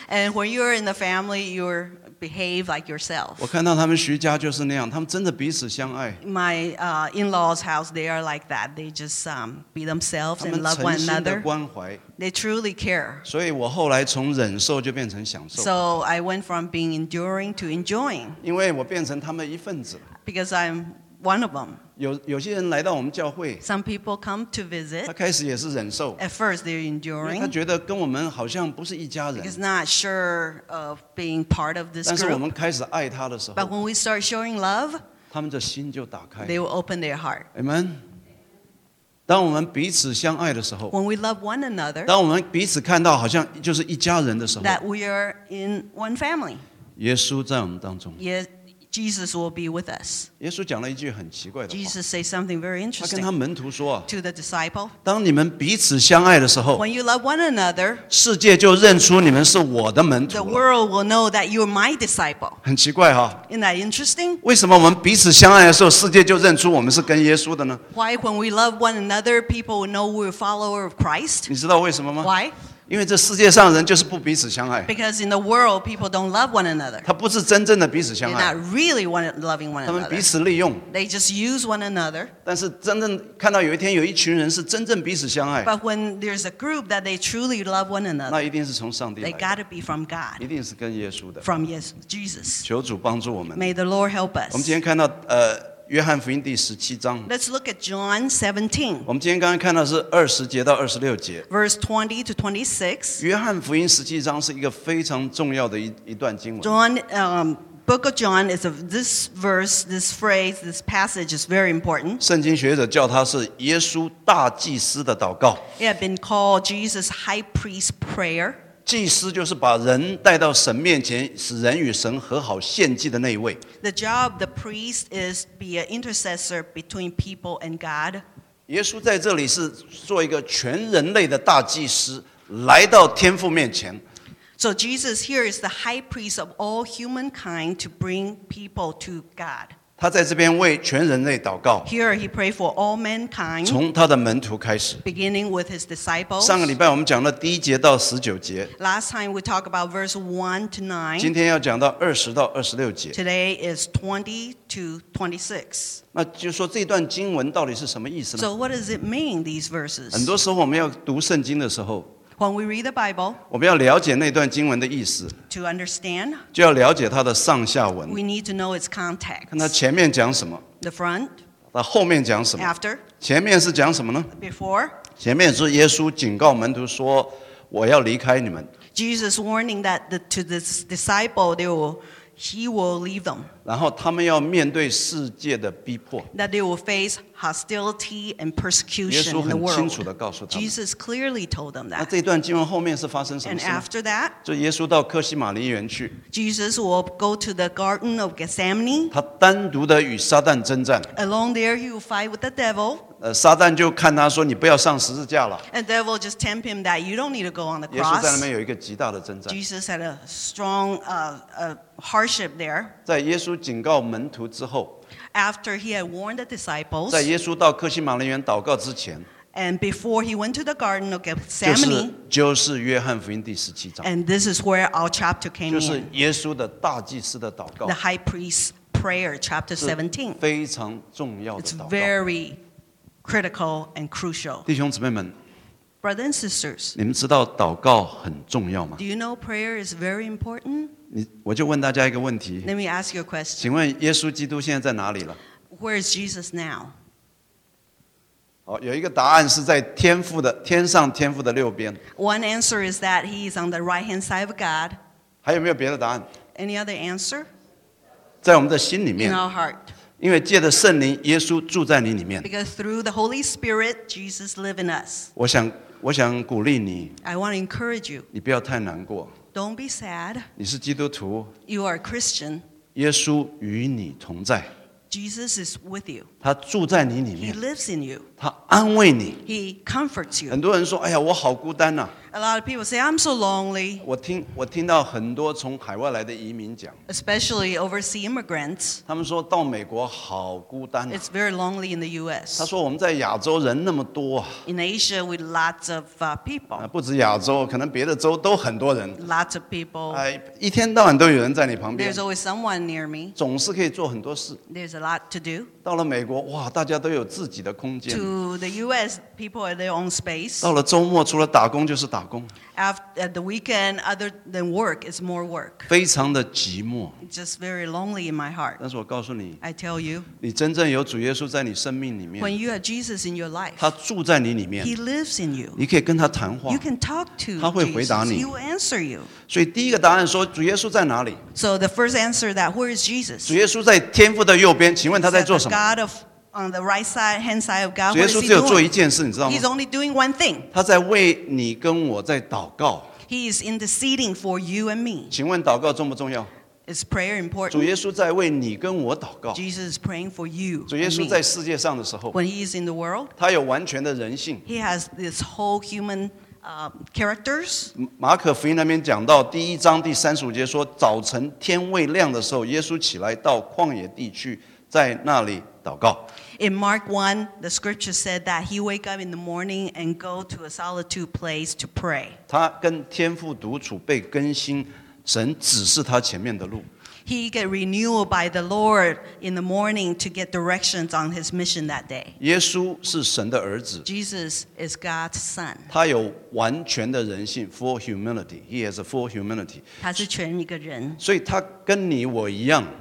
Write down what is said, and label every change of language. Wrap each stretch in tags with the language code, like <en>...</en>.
<en>And when you are in the family, you behave like yourself.</en> <zh>我看到他们徐家就是那样，他们真的彼此相爱。</zh> <en>My in-laws' house, they are like that. They just be themselves and love one another.</en> <zh>他们诚心的关怀。</zh> <en>They truly care.</en> <zh>所以我后来从忍受就变成享受。</zh> <en>So I went from being enduring to enjoying.</en> <zh>因为我变成他们一份子。</zh> <en>Because I'm one of them.</en> <zh>有些人来到我们教会</zh> <en>Some people come to visit</en> <zh>他开始也是忍受</zh> <en>At first they're enduring</en> <zh>他觉得跟我们好像不是一家人</zh> <en>He's not sure of being part of this group</en> <zh>但是我们开始爱他的时候</zh> <en>But when we start showing love</en> <zh>他们的心就打开</zh> <en>They will open their heart</en> <zh>Amen 当我们彼此相爱的时候</zh> <en>When we love one another</en> <zh>当我们彼此看到好像就是一家人的时候</zh> <en>That we are in one family</en> <zh>耶稣在我们当中</zh> <en>Yes. Jesus will be with us.</en> <zh>耶稣讲了一句很奇怪的话。</zh> <en>Jesus said something very interesting.</en> <zh>他跟他门徒说啊。</zh> <en>To the disciple.</en> <zh>当你们彼此相爱的时候。</zh> <en>When you love one another.</en> <zh>世界就认出你们是我的门徒了。</zh> <en>The world will know that you're my disciple.</en> <zh>很奇怪哈。</zh> <en>Isn't that interesting?</en> <zh>为什么我们彼此相爱的时候，世界就认出我们是跟耶稣的呢？</zh> <en>Why when we love one another, people will know we're a follower of Christ?</en> <zh>你知道为什么吗？</zh> <en>Why?</en> <zh>因为这世界上人就是不彼此相爱。</zh> <en>Because in the world, people don't love one another.</en> <zh>他不是真正的彼此相爱。</zh> <en>They're not really loving one another.</en> <zh>他们彼此利用。</zh> <en>They just use one another.</en> <zh>但是真正看到有一天有一群人是真正彼此相爱。</zh> <en>But when there's a group that they truly love one another.</en> <zh>那一定是从上帝来的。</zh> <en>They gotta be from God.</en> <zh>一定是跟耶稣的。</zh> <en>From Jesus.</en> <zh>求主帮助我们。</zh> <en>May the Lord help us.</en> <zh>我们今天看到约翰福音第十七章。</zh> <en>Let's look at John 17.</en> <zh>我们今天刚刚看到是二十节到二十六节。</zh> <en>Verse 20 to 26.</en> <zh>约翰福音十七章是一个非常重要的一段经文。</zh> <en>John, Book of John is this verse, this phrase, this passage is very important.</en> <zh>圣经学者叫它是耶稣大祭司的祷告。</zh> <en>It has been called Jesus' high priest prayer.</en> <zh>祭司就是把人带到神面前使人与神和好献祭的那一位</zh> <en>The job of the priest is to be an intercessor between people and God</en> <zh>耶稣在这里是做一个全人类的大祭司来到天父面前</zh> <en>So Jesus here is the high priest of all humankind to bring people to God</en> <zh>他在这边为全人类祷告</zh> <en>Here he prayed for all mankind</en> <zh>从他的门徒开始</zh> <en>beginning with his disciples</en> <zh>上个礼拜我们讲了第一节到十九节</zh> <en>last time we talked about verse 1 to 9</en> <zh>今天要讲到二十到二十六节</zh> <en>today is 20 to 26</en> <zh>那就说这段经文到底是什么意思呢</zh> <en>So what does it mean, these verses?</en> <zh>很多时候我们要读圣经的时候</zh> <en>When we read the Bible</en> <zh>我们要了解那段经文的意思</zh> <en>To understand</en> <zh>就要了解它的上下文</zh> <en>We need to know its context</en> <zh>看它前面讲什么</zh> <en>The front</en> <zh>那后面讲什么</zh> <en>After</en> <zh>前面是讲什么呢</zh> <en>Before</en> <zh>前面是耶稣警告门徒说我要离开你们</zh> <en>Jesus warning that to the disciple they willHe will leave them.</en> <zh>然后他们要面对世界的逼迫。</zh> <en>That they will face hostility and persecution in the world.</en> <zh>耶稣很清楚地告诉他们。</zh> <en>Jesus clearly told them that.</en> <zh>那这段经文后面是发生什么事</zh> <en>And after that,</en> <zh>就耶稣到客西马尼园去。</zh> <en>Jesus will go to the Garden of Gethsemane.</en> <zh>他单独地与撒旦征战。</zh> <en>Alone there, he will fight with the devil.</en> <zh>撒旦就看他说你不要上十字架了。</zh> <en>And the devil just tempt him that you don't need to go on the cross.</en> <zh>耶稣在那边有一个极大的征战。</zh> <en>Jesus had a strong, hardship there.</en> <zh>在耶稣警告门徒之后。</zh> <en>After he had warned the disciples.</en> <zh>在耶稣到客西马尼园祷告之前。</zh> <en>And before he went to the Garden of Gethsemane.</en> <zh>就是约翰福音第十七章。</zh> <en>And this is where our chapter came in.</en> <zh>就是耶稣的大祭司的祷告。</zh> <en>The high priest's prayer, chapter 17.</en> <zh>非常重要的祷告。</zh> <en>It's very critical and crucial.</en> <zh>弟兄姊妹们。</zh> <en>Brothers and sisters,</en> <zh>你们知道祷告很重要吗？</zh> <en>Do you know prayer is very important?</en> <zh>我就问大家一个问题。</zh> <en>Let me ask you a question.</en> <zh>请问耶稣基督现在在哪里了？</zh> <en>Where is Jesus now?</en> <zh>好，有一个答案是在天父的天上天父的右边。</zh> <en>One answer is that he is on the right hand side of God.</en> <zh>还有没有别的答案？</zh> <en>Any other answer?</en> <zh>在我们的心里面。</zh> <en>In our heart.</en> <zh>因为借着圣灵，耶稣住在你里面。</zh> <en>Because through the Holy Spirit, Jesus lives in us.</en> <zh>我想鼓励你。</zh> <en>I want to encourage you.</en> <zh>你不要太难过。</zh> <en>Don't be sad.</en> <zh>你是基督徒。</zh> <en>You are a Christian.</en> <zh>耶稣与你同在。</zh> <en>Jesus is with you.</en> <zh>他住在你里面。</zh> <en>He lives in you.</en> <zh>他安慰你。</zh> <en>He comforts you.</en> <zh>很多人说，哎呀，我好孤单啊。</zh> <en>A lot of people say, I'm so lonely.</en> <zh>我听到很多从海外来的移民讲。</zh> <en>Especially overseas immigrants.</en> <zh>他们说到美国好孤单啊。</zh> <en>It's very lonely in the U.S.</en> <zh>他说我们在亚洲人那么多啊。</zh> <en>In Asia, we have lots of people.</en> <zh>不止亚洲，可能别的州都很多人。</zh> <en>Lots of people.</en> <zh>一天到晚都有人在你旁边。</zh> <en>There's always someone near me.</en> <zh>总是可以做很多事。</zh> <en>There's a lot to do.</en> <zh>到了美国，哇，大家都有自己的空间。</zh> <en>To the U.S., people have their own space.</en> <zh>到了周末，除了打工就是打工。</zh> <en>After the weekend, other than work, it's more work.</en> <zh>非常的寂寞。</zh> <en>Just very lonely in my heart.</en> <zh>但是我告诉你，</zh> <en>I tell you,</en> <zh>你真正有主耶稣在你生命里面。</zh> <en>When you have Jesus in your life,</en> <zh>他住在你里面。</zh> <en>He lives in you.</en> <zh>你可以跟他谈话。</zh> <en>You can talk to Jesus.</en> <zh>他会回答你。</zh> <en>He will answer you.</en> <zh>所以第一个答案说主耶稣在哪里？</zh> <en>So the first answer that where is Jesus?</en> <zh>主耶稣在天父的右边，请问他在做什么？</zh> <en>God of on the right side, hand side of God, what is he doing?</en> <zh>耶稣只有做一件事，你知道吗？</zh> <en>He's only doing one thing.</en> <zh>他在为你跟我在祷告。</zh> <en>He is interceding for you and me.</en> <zh>请问祷告重不重要？</zh> <en>Is prayer important?</en> <zh>主耶稣在为你跟我祷告。</zh> <en>Jesus is praying for you and me.</en> <zh>主耶稣在世界上的时候，</zh> <en>when he is in the world,</en> <zh>他有完全的人性。</zh> <en>He has this whole human characters.</en> <zh>马可福音那边讲到第一章第三十五节说，早晨天未亮的时候，耶稣起来到旷野地去，在那里祷告。</zh> <en>In Mark 1, the scripture said that he wake up in the morning and go to a solitude place to pray.</en> <zh>他跟天父独处被更新，神指示他前面的路。</zh> <en>He get renewed by the Lord in the morning to get directions on his mission that day.</en> <zh>耶稣是神的儿子。</zh> <en>Jesus is God's son.</en> <zh>他有完全的人性</zh> <en>,full humility. He has a full humanity.</en> <zh>他是全一个人。所以他跟你我一样。</zh>